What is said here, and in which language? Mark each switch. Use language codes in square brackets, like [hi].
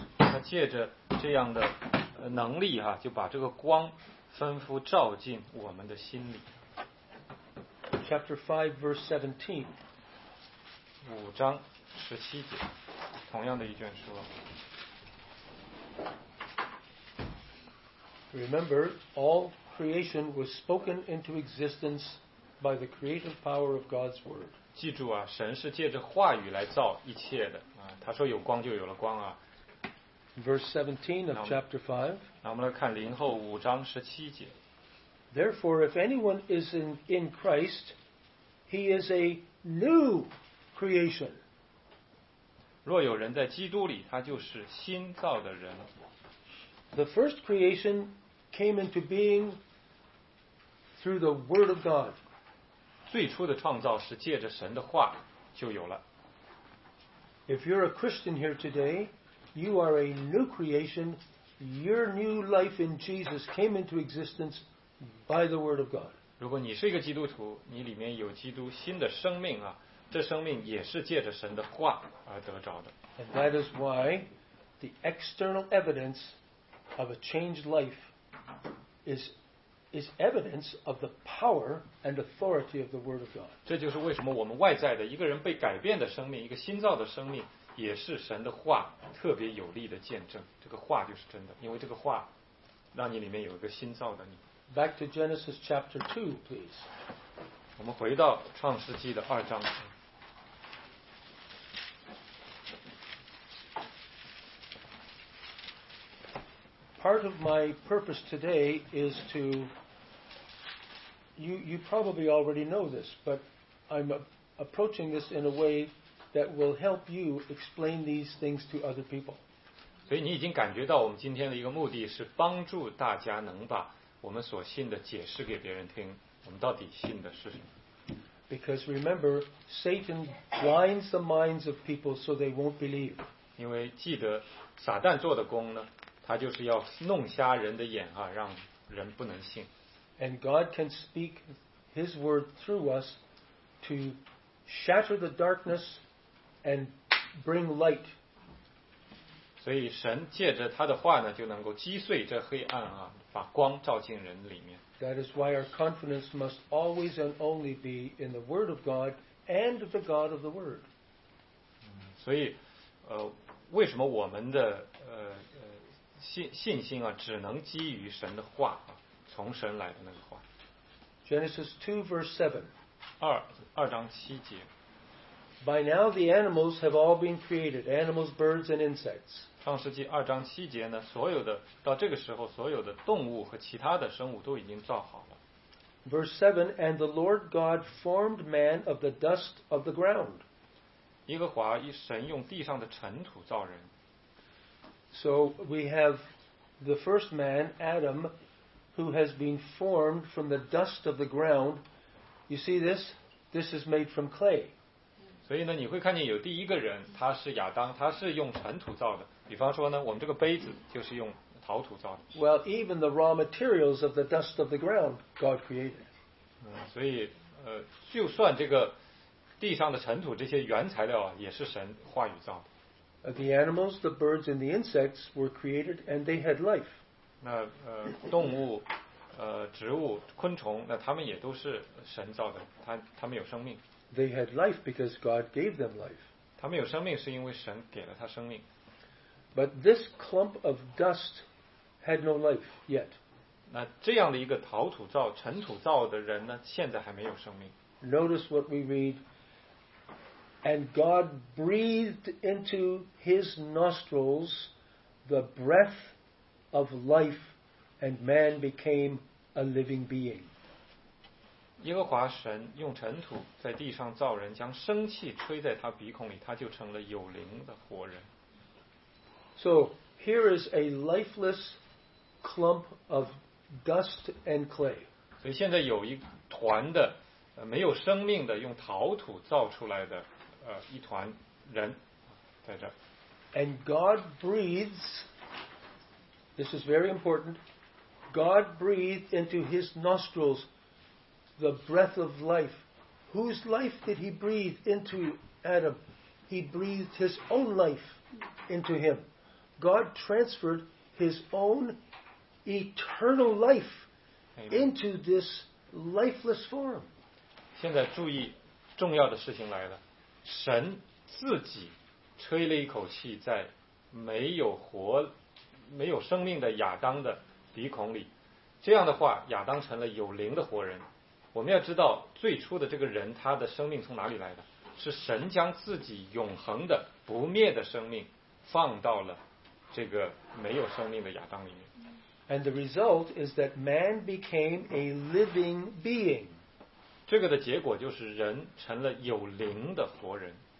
[zh] 他借着这样的能力啊，就把这个光吩咐照进我们的心里。 [en] Chapter 5, verse 17. [zh] 五章十七节，同样的一卷书。 [en] Remember, all creation was spoken into existence by the creative power of God's word. [zh] 记住啊，神是借着话语来造一切的啊。他说有光就有了光啊。 [en] Verse 17 of chapter 5. [zh] 那我们来看零后五章十七节。 [en] Therefore, if anyone is in Christ, he is a new creation. [zh] 若有人在基督里，他就是新造的人。 [en] The first creation came into being through the word of God. [zh] 最初的创造是借着神的话就有了。 [en] If you're a Christian here today, you are a new creation. Your new life in Jesus came into existence by the word of God. [zh] 如果你是一个基督徒，你里面有基督新的生命啊，这生命也是借着神的话而得着的。 [en] And that is why the external evidence of a changed life is evidence of the power and authority of the word of God. [zh] 这就是为什么我们外在的一个人被改变的生命，一个新造的生命，也是神的话特别有力的见证。这个话就是真的，因为这个话让你里面有一个新造的你。 [en] Back to Genesis chapter 2, please. [zh] 我们回到创世纪的二章。 [en] Part of my purpose today is to, you probably already know this, but I'm approaching this in a way that will help you explain these things to other people. [zh] 所以你已经感觉到我们今天的一个目的是帮助大家能把我们所信的解释给别人听，我们到底信的是什么。 [en] Because remember, Satan blinds the minds of people so they won't believe. [zh] 因为记得撒旦做的工呢，他就是要弄瞎人的眼啊，让人不能信。 [en] And God can speak His word through us to shatter the darkness and bring light. [zh] 所以神借着他的话呢，就能够击碎这黑暗啊，把光照进人里面。 [en] That is why our confidence must always and only be in the Word of God and the God of the Word. [zh] 所以，为什么我们的信心啊，只能基于神的话啊，从神来的那个话。 [en] Genesis 2 verse 7. [zh] 二章七节。 [en] By now the animals have all been created, animals, birds, and insects. [zh] 创世纪二章七节呢，所有的到这个时候，所有的动物和其他的生物都已经造好了。 [en] Verse 7, and the Lord God formed man of the dust of the ground. [zh] 耶和华神用地上的尘土造人。 [en] So we have the first man, Adam, who has been formed from the dust of the ground. You see this? This is made from clay. [zh] 所以呢，你会看见有第一个人，他是亚当，他是用尘土造的。比方说呢，我们这个杯子就是用陶土造的。 [en] Well, even the raw materials of the dust of the ground, God created. [zh] 所以就算这个地上的尘土这些原材料啊，也是神话语造的。 [en] The animals, the birds, and the insects were created, and they had life. [zh] 那动物、植物、昆虫，那他们也都是神造的，他们有生命。 [en] They had life because God gave them life. [zh] 他们有生命是因为神给了他生命。 [en] But this clump of dust had no life yet. [zh] 那这样的一个陶土造、尘土造的人呢，现在还没有生命。 [en] Notice what we read. And God breathed into his nostrils the breath of life, and man became a living being. [zh] 耶和华神用尘土在地上造人，将生气吹在他鼻孔里，他就成了有灵的活人。 [en] So here is a lifeless clump of dust and clay. [zh] 所以现在有一团的没有生命的用陶土造出来的。一团人在这儿。 [en] And God breathes, this is very important, God breathed into his nostrils the breath of life. Whose life did he breathe into Adam? He breathed his own life into him. God transferred his own eternal life into this lifeless form. [zh] 现在注意，重要的事情来了。神自己吹了一口气在没有生命的亚当的鼻孔里，这样的话亚当成了有灵的活人。我们要知道最初的这个人他的生命从哪里来的，是神将自己永恒的不灭的生命放到了这个没有生命的亚当里面。 [en] And the result is that man became a living being. [zh] 这个的结果就是人成了有灵的活人。